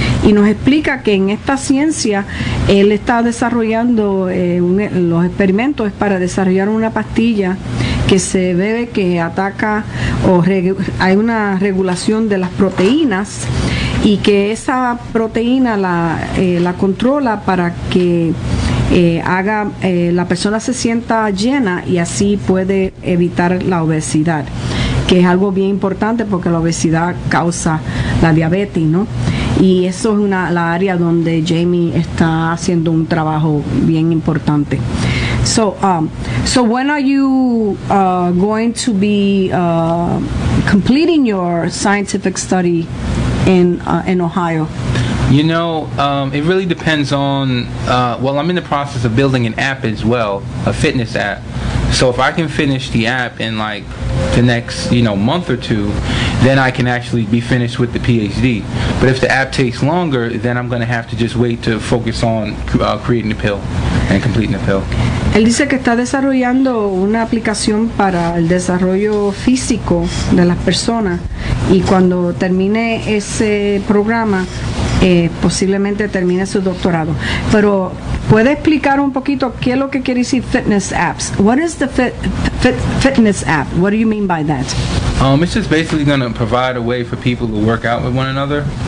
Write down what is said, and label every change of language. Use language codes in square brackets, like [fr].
[es] Y nos explica que en esta ciencia él está desarrollando los experimentos es para desarrollar una pastilla que se bebe que ataca hay una regulación de las proteínas y que esa proteína la controla para que la persona se sienta llena y así puede evitar la obesidad, que es algo bien importante porque la obesidad causa la diabetes, ¿no? Y eso es la área donde Jamie está haciendo un trabajo bien importante. [en] So, so when are you going to be completing your scientific study in Ohio? You know, it really depends on, I'm in the process of building an app as well, a fitness app. So if I can finish the app in like the next, month or two, then I can actually be finished with the PhD. But if the app takes longer, then I'm going to have to just wait to focus on creating the pill and completing the pill. [es] Él dice que está desarrollando una aplicación para el desarrollo físico de las personas. Y cuando termine ese programa, posiblemente termine su doctorado. Pero puede explicar un poquito qué es lo que quiere decir fitness apps. [en] What is the fitness app? What do you mean by that? It's just basically going to provide a way for people to work out with one another.